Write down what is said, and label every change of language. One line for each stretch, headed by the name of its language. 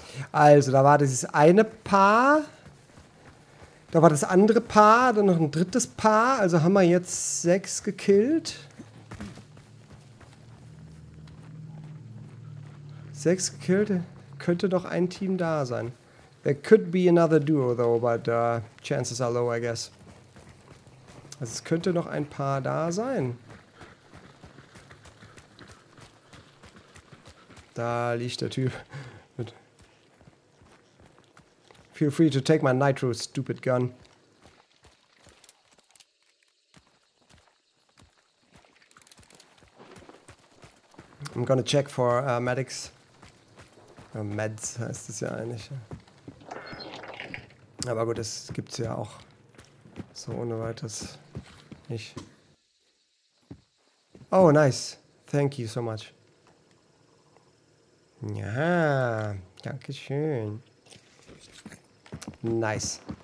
German: Also, da war dieses eine Paar. Da war das andere Paar. Dann noch ein drittes Paar. Also haben wir jetzt 6 gekillt. 6 gekillt. Könnte doch ein Team da sein.
English: There could be another duo, though. But chances are low, I guess.
German: Also es könnte noch ein Paar da sein. Da liegt der Typ.
English: Feel free to take my nitro, stupid gun. I'm gonna check for medics.
German: Meds heißt es ja eigentlich. Aber gut, das gibt's ja auch so ohne weiteres nicht.
English: Oh, nice. Thank you so much.
German: Ja, danke schön. Nice.